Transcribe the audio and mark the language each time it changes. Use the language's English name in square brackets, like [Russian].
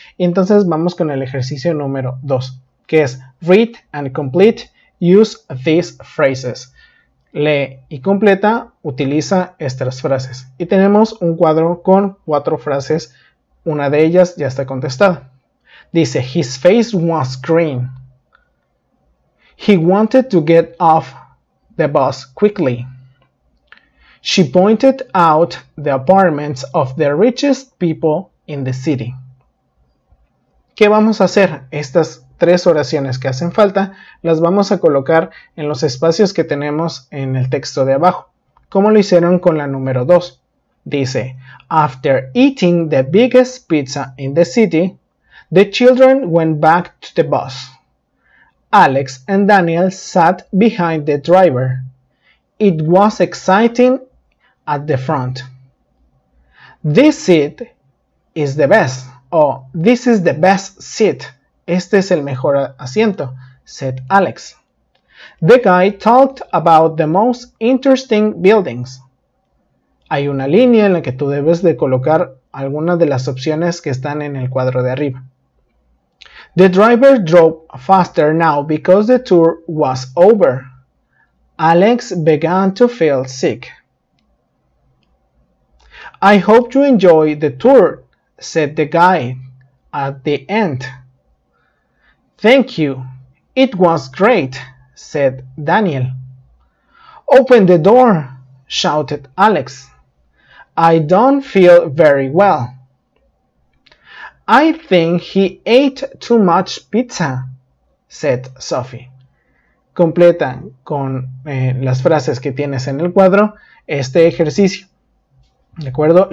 [Spanish] Y entonces vamos con el ejercicio número 2, que es [English] read and complete, use these phrases. [Spanish] Lee y completa, utiliza estas frases. Y tenemos un cuadro con cuatro frases, una de ellas ya está contestada. Dice, [English] his face was green. He wanted to get off the bus quickly. She pointed out the apartments of the richest people in the city. [Spanish] ¿Qué vamos a hacer? Estas tres oraciones que hacen falta las vamos a colocar en los espacios que tenemos en el texto de abajo, como lo hicieron con la número 2. Dice, [English] after eating the biggest pizza in the city, the children went back to the bus. Alex and Daniel sat behind the driver. It was exciting at the front. This seat is the best. Oh, this is the best seat. [Spanish] Este es el mejor asiento, [English] said Alex. The guy talked about the most interesting buildings. [Spanish] Hay una línea en la que tú debes de colocar algunas de las opciones que están en el cuadro de arriba. [English] The driver drove faster now because the tour was over. Alex began to feel sick. I hope you enjoy the tour, said the guy at the end. Thank you. It was great, said Daniel. Open the door, shouted Alex. I don't feel very well. I think he ate too much pizza, said Sophie. [Spanish] Completa con las frases que tienes en el cuadro este ejercicio. ¿De acuerdo?